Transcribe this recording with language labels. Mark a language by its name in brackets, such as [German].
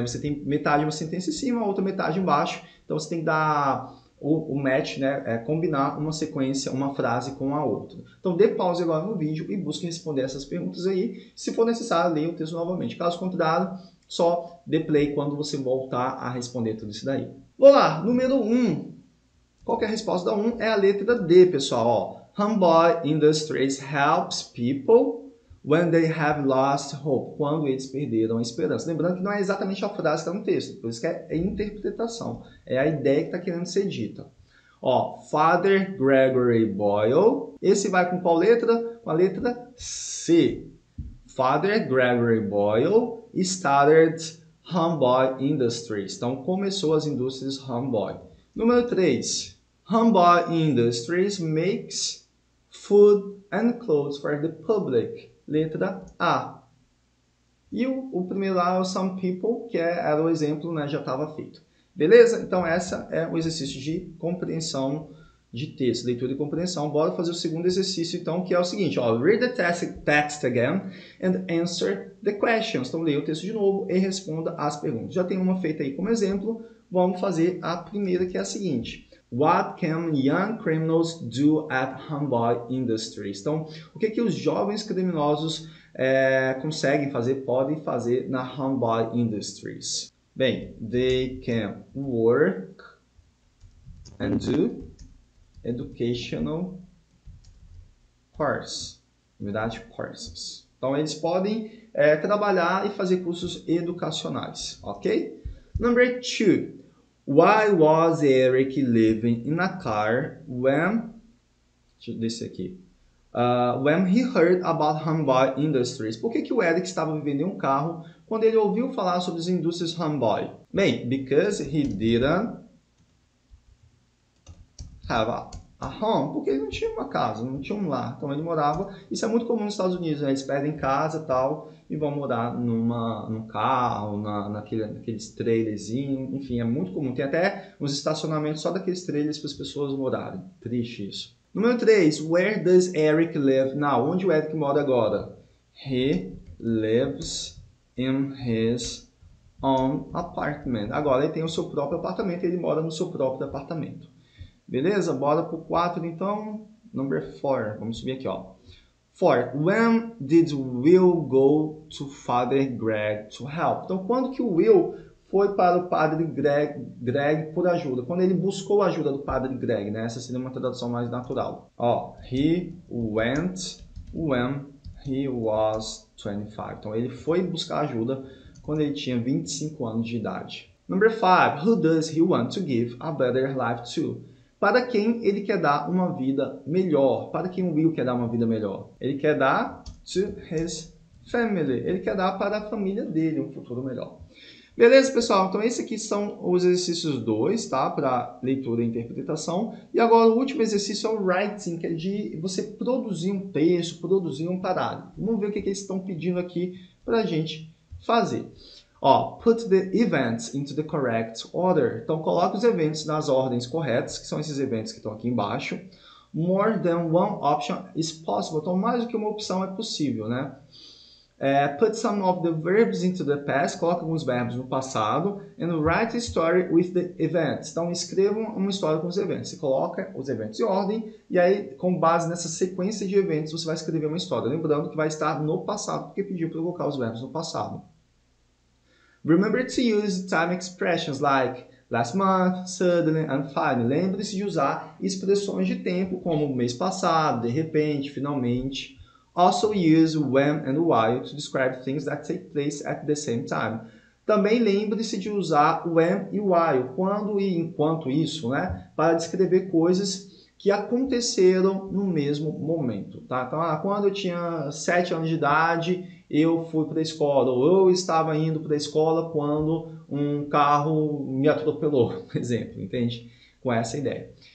[Portuguese] Você tem metade de uma sentença em cima, a outra metade embaixo. Então você tem que dar o match, né? É combinar uma sequência, uma frase com a outra. Então dê pause agora no vídeo e busque responder essas perguntas aí. Se for necessário, leia o texto novamente. Caso contrário, só dê play quando você voltar a responder tudo isso daí. Vamos lá, número 1. Qual que é a resposta da 1? É a letra D, pessoal, ó. [English] Homeboy Industries helps people when they have lost hope. [Portuguese] Quando eles perderam a esperança. Lembrando que não é exatamente a frase que está no texto. Por isso que é interpretação. É a ideia que está querendo ser dita. Ó, Father Gregory Boyle. Esse vai com qual letra? Com a letra C. [English] Father Gregory Boyle started Homeboy Industries. [Portuguese] Então, começou as indústrias Homeboy. Número 3. [English] Homeboy Industries makes food and clothes for the public. [Portuguese] Letra A. E o primeiro lá é o some people, que era o exemplo, né, já estava feito. Beleza? Então, essa é o exercício de compreensão de texto, leitura e compreensão. Bora fazer o segundo exercício, então, que é o seguinte. Ó, [English] read the text again and answer the questions. [Portuguese] Então, leia o texto de novo e responda as perguntas. Já tem uma feita aí como exemplo. Vamos fazer a primeira, que é a seguinte. [English] What can young criminals do at Homeboy Industries? [Portuguese] Então, o que, que os jovens criminosos conseguem fazer, podem fazer na Homeboy Industries? [English] Bem, they can work and do educational courses. [Portuguese] Na verdade, courses. Então, eles podem trabalhar e fazer cursos educacionais, ok? [English] Number two. Why was Eric living in a car when, when he heard about Homeboy Industries? [Portuguese] Por que, que o Eric estava vivendo em um carro quando ele ouviu falar sobre as indústrias Homeboy? [English] Bem, because he didn't have a home. [Portuguese] Porque ele não tinha uma casa, não tinha um lar. Então ele morava, isso é muito comum nos Estados Unidos, né? Eles pedem casa e tal, e vão morar num carro, naqueles trailerzinhos, enfim, é muito comum. Tem até uns estacionamentos só daqueles trailers para as pessoas morarem. Triste isso. Número 3, [English] where does Eric live now? [Portuguese] Onde o Eric mora agora? [English] He lives in his own apartment. [Portuguese] Agora ele tem o seu próprio apartamento, ele mora no seu próprio apartamento. Beleza? Bora pro 4 então. [English] Number 4, [Portuguese] vamos subir aqui, ó. 4. [English] When did Will go to Father Greg to help? [Portuguese] Então, quando que o Will foi para o Padre Greg por ajuda? Quando ele buscou a ajuda do Padre Greg, né? Essa seria uma tradução mais natural. [English] Ó, he went when he was 25. [Portuguese] Então, ele foi buscar ajuda quando ele tinha 25 anos de idade. [English] Number 5. Who does he want to give a better life to? [Portuguese] Para quem ele quer dar uma vida melhor? Para quem o Will quer dar uma vida melhor? Ele quer dar [English] to his family. [Portuguese] Ele quer dar para a família dele um futuro melhor. Beleza, pessoal? Então, esses aqui são os exercícios 2, tá? Para leitura e interpretação. E agora, o último exercício é o writing, que é de você produzir um texto, produzir um parágrafo. Vamos ver o que, que eles estão pedindo aqui para a gente fazer. [English] Ó, put the events into the correct order. [Portuguese] Então, coloque os eventos nas ordens corretas, que são esses eventos que estão aqui embaixo. [English] More than one option is possible. [Portuguese] Então, mais do que uma opção é possível, né? [English] Put some of the verbs into the past. [Portuguese] Coloque alguns verbos no passado. [English] And write a story with the events. [Portuguese] Então, escreva uma história com os eventos. Você coloca os eventos em ordem. E aí, com base nessa sequência de eventos, você vai escrever uma história. Lembrando que vai estar no passado, porque pediu para colocar os verbos no passado. [English] Remember to use time expressions like last month, suddenly, and finally. [Portuguese] Lembre-se de usar expressões de tempo como mês passado, de repente, finalmente. [English] Also use when and why to describe things that take place at the same time. [Portuguese] Também lembre-se de usar when e why, quando e enquanto isso, né? Para descrever coisas que aconteceram no mesmo momento, tá? Então, quando eu tinha 7 anos de idade, eu fui para a escola, ou eu estava indo para a escola quando um carro me atropelou, por exemplo, entende? Com essa ideia.